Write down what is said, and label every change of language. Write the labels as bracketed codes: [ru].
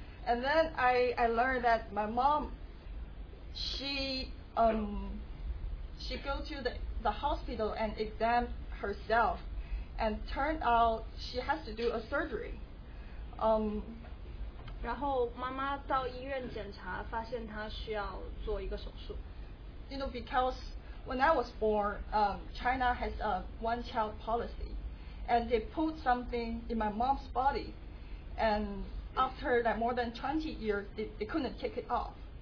[en] And then I learned that my mom, she go to the hospital and examine herself, and turned out she has to do a surgery. [zh] 然后妈妈到医院检查，发现她需要做一个手术。 [en] You know, because when I was born, China has a one-child policy, and they put something in my mom's body, and after like more than 20 years, they couldn't take it off.